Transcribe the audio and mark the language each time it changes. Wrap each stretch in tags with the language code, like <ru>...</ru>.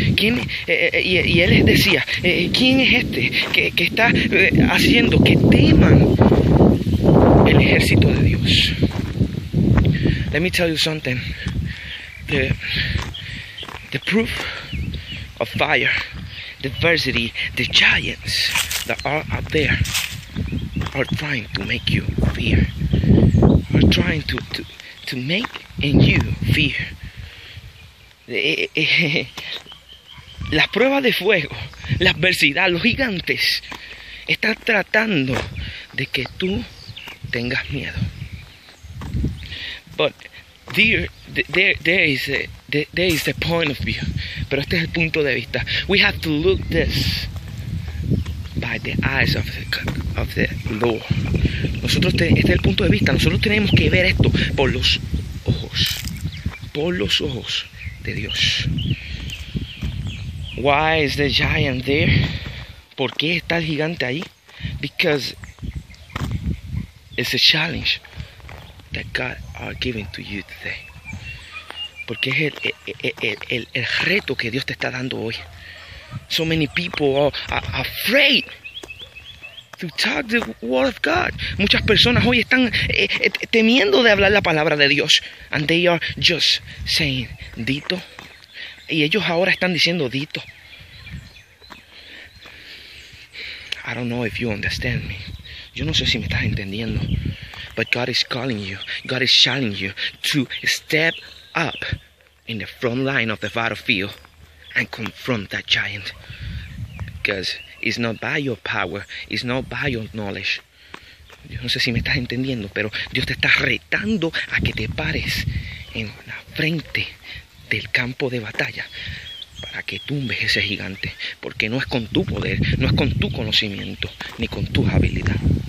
<es>¿Quién, y él les decía, ¿quién es este que está haciendo que teman el ejército de Dios?</es> <en>Let me tell you something. The proof of fire, the adversity, the giants that are out there are trying to make you fear. Are trying to make in you fear.</en> <es>Las pruebas de fuego, la adversidad, los gigantes están tratando de que tú tengas miedo.</es> <en>But there is the point of view.</en> <es>Pero este es el punto de vista.</es> <en>We have to look this by the eyes of the Lord.</en> <es>Nosotros este es el punto de vista. Nosotros tenemos que ver esto por los ojos. Por los ojos de Dios.</es> <en>Why is the giant there?</en> <es>¿Por qué está el gigante ahí?</es> <en>Because it's a challenge that God are giving to you today.</en> <es>Porque es el reto que Dios te está dando hoy.</es> <en>So many people are afraid to talk the word of God.</en> <es>Muchas personas hoy están temiendo de hablar la palabra de Dios.</es> <en>And they are just saying, Dito.</en> <es>Y ellos ahora están diciendo, Dito.</es> <en>I don't know if you understand me.</en> <es>Yo no sé si me estás entendiendo.</es> <en>But God is calling you. God is challenging you to step up in the front line of the battlefield and confront that giant. Because it's not by your power, it's not by your knowledge.</en> <es>Yo no sé si me estás entendiendo, pero Dios te está retando a que te pares en la frente del campo de batalla para que tumbes ese gigante. Porque no es con tu poder, no es con tu conocimiento, ni con tu habilidad.</es>